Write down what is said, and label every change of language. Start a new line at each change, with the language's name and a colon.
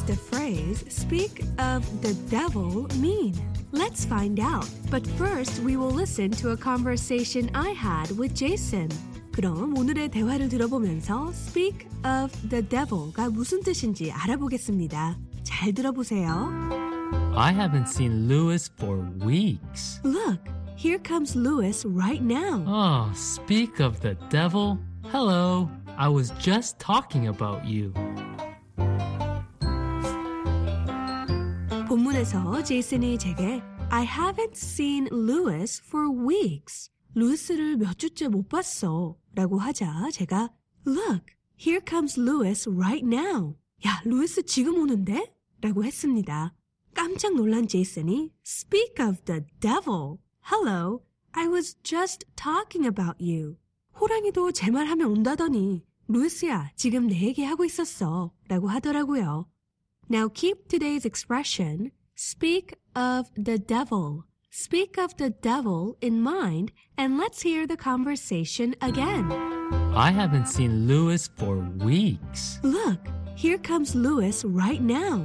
English: 'Phrase speak of the devil mean? Let's find out. But first, we will listen to a conversation I had with Jason.
Korean: 그럼 오늘의 대화를 들어보면서
English: speak of the devil
Korean: 가 무슨 뜻인지 알아보겠습니다. 잘 들어보세요.
English: I haven't seen Louis for weeks. Look, here comes Louis right now. Oh, speak of the devil. Hello, I was just talking about you.
Korean: 본문에서 제이슨이 제게
English: I haven't seen Louis for weeks.
Korean: 루이스를 몇 주째 못 봤어 라고 하자 제가
English: Look, here comes Louis right now.
Korean: 야, 루이스 지금 오는데? 라고 했습니다. 깜짝 놀란 제이슨이
English: Speak of the devil. Hello, I was just talking about you.
Korean: 호랑이도 제 말하면 온다더니 루이스야, 지금 내 얘기하고 있었어 라고 하더라고요.
English: Now keep today's expression, speak of the devil. Speak of the devil in mind, and let's hear the conversation again. I haven't seen Louis for weeks. Look, Here comes Lewis right now.